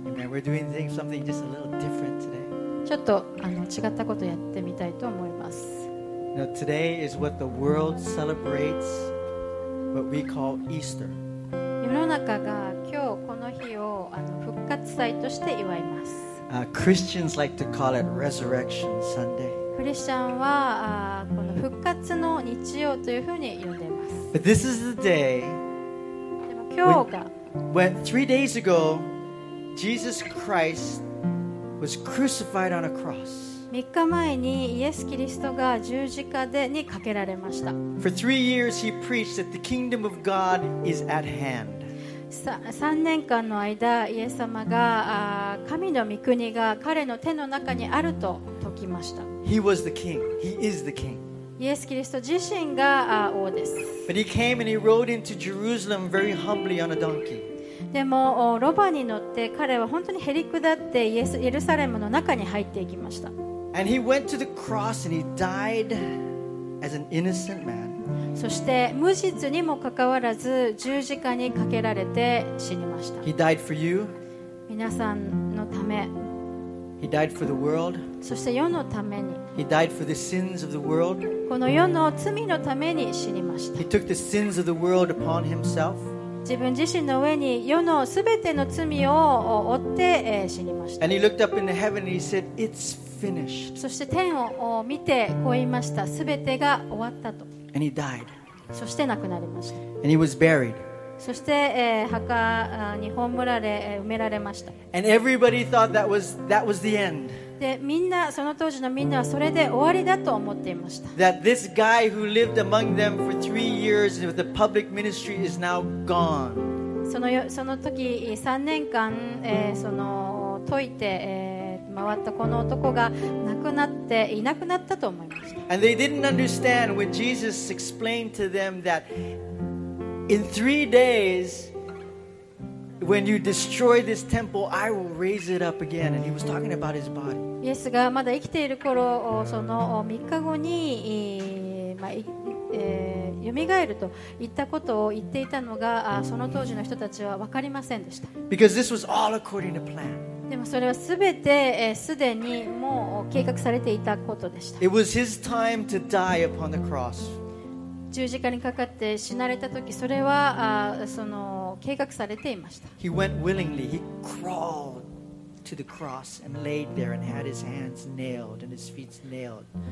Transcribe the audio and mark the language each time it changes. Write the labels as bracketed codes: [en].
[en] We're doing things, something just a little different today. [ja] ちょっとあの違ったことをやってみたいと思います。 [en] Now, today is what the world celebrates, what we call Easter. [ja] 世の中が今日この日をあの復活祭として祝います。 [en] Christians like to call it Resurrection Sunday. [ja] クリスチャンはこの復活の日曜というふうに呼んでいます。 [en] But this is the day. [ja] でも今日が。 [en] When 3 days ago, Jesus Christ was crucified on a cross. [ja] 3日前にイエス・キリストが十字架でにかけられました。 [en] For 3 years, he preached that the kingdom of God is at hand. [ja] 3年間の間、イエス様が神の御国が彼の手の中にあると説きました。 [en] He was the king. He is the king. [ja] イエス・キリスト自身が王です。 [en] But he came and he rode into Jerusalem very humbly on a donkey. [ja] でもロバに乗って彼は本当にへりくだってイエルサレムの中に入っていきました。 [en] And he went to the cross and he died as an innocent man. [ja] そして無実にもかかわらず十字架にかけられて死にました。 [en] He died for you. [ja] 皆さんのため。 [en] He died for the world. [ja] そして世のために。 [en] He died for the sins of the world. [ja] この世の罪のために死にました。 [en] He took the sins of the world upon himself. [ja] 自分自身の上に世のすべての罪を負って死にました。 [en] And he looked up in the heaven and he said, "It's finished." [ja] そして天を見てこう言いました。すべてが終わったと。 [en] And he died. [ja] そして亡くなりました。 [en] And he was buried. [ja] そして、墓に葬られ、埋められました。 [en] And everybody thought that was the end. [ja] で、みんな、その当時のみんなはそれで終わりだと思っていました。 [en] That this guy who lived among them for 3 years with the public ministry is now gone. [ja] その時、3年間、その解いて、回ったこの男が亡くなっていなくなったと思いました。 [en] And they didn't understand when Jesus explained to them thatIn 3 days, when you destroy this temple, I will raise it up again. And he was talking about his body. [ja] イエスがまだ生きている頃、その3日後に、蘇ると言ったことを言っていたのが、その当時の人たちは分かりませんでした。 [en] Because this was all according to plan. [ja] でもそれはすべて、すでにもう計画されていたことでした。 [en] It was his time to die upon the cross. [ja] 十字架にかかって死なれた時それはその計画されていました。 [en] He went willingly. He crawled to the cross and laid there and had his hands nailed and his feet nailed.